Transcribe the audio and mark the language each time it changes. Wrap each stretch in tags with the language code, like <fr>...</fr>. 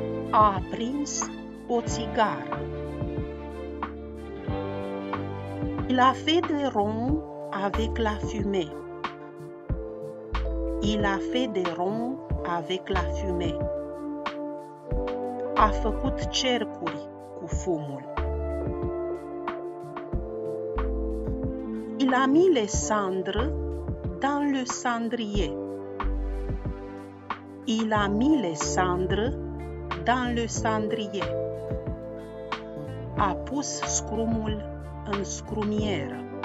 <ro>A aprins o țigară.</ro> <fr>Il a fait des ronds avec la fumée. Il a fait des ronds avec la fumée.</fr> <ro>A făcut cercuri cu fumul.</ro> <fr>Il a mis les cendres dans le cendrier. Il a mis les cendres dans le cendrier.</fr> <ro>A pus scrumul în scrumieră.</ro>